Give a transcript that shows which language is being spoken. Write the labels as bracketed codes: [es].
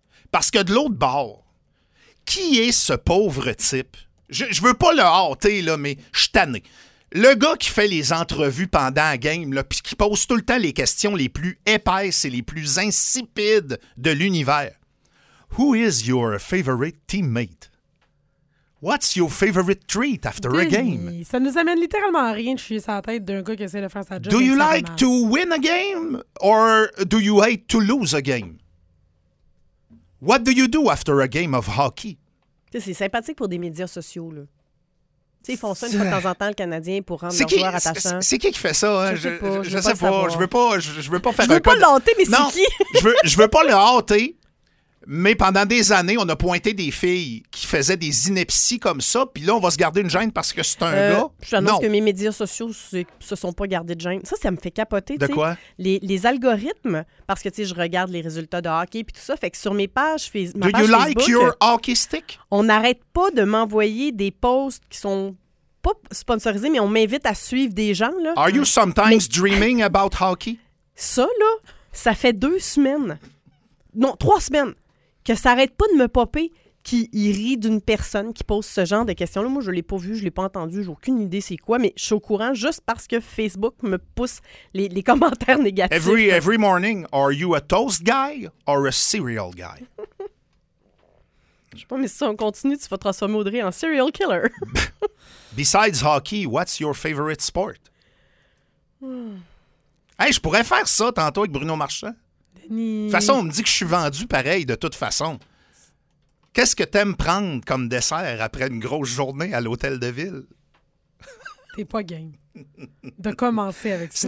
[fr] Parce que de l'autre bord, qui est ce pauvre type? Je veux pas le hâter, là, mais je suis tanné. Le gars qui fait les entrevues pendant la game, là, puis qui pose tout le temps les questions les plus épaisses et les plus insipides de l'univers. [en] Who is your favorite teammate? What's your favorite treat after a game? [fr] Ça nous amène littéralement à rien de chier sur la tête d'un gars qui essaie de faire sa job. [en] Do you like to win a game or do you hate to lose a game? What do you do after a game of hockey? [fr] C'est sympathique pour des médias sociaux, là. T'sais, ils font ça une fois de temps en temps, le Canadien, pour rendre leurs joueurs attachants. C'est qui fait ça? Hein? Je veux pas le hâter. Je veux pas le hâter, mais pendant des années, on a pointé des filles qui faisaient des inepties comme ça, puis là, on va se garder une gêne parce que c'est un gars. Je t'annonce que mes médias sociaux se sont pas gardés de gêne. Ça me fait capoter. De quoi? Les algorithmes, parce que je regarde les résultats de hockey puis tout ça, fait que sur mes pages Facebook... [en] Do you like your hockey stick? [fr] On n'arrête pas de m'envoyer des posts qui sont pas sponsorisés, mais on m'invite à suivre des gens. Là. [en] Are you sometimes dreaming about hockey? [fr] Ça, là, ça fait deux semaines. Non, trois semaines. Que ça arrête pas de me popper qu'il rit d'une personne qui pose ce genre de questions-là. Moi, je l'ai pas vu, je l'ai pas entendu, j'ai aucune idée c'est quoi, mais je suis au courant juste parce que Facebook me pousse les commentaires négatifs. [en] Every morning, are you a toast guy or a cereal guy? [fr] Je sais pas, mais si on continue, tu vas transformer Audrey en serial killer. [en] Besides hockey, what's your favorite sport? [fr] Hey, je pourrais faire ça tantôt avec Bruno Marchand. De toute façon, on me dit que je suis vendu pareil, de toute façon. Qu'est-ce que t'aimes prendre comme dessert après une grosse journée à l'hôtel de ville? T'es pas game de commencer avec ça.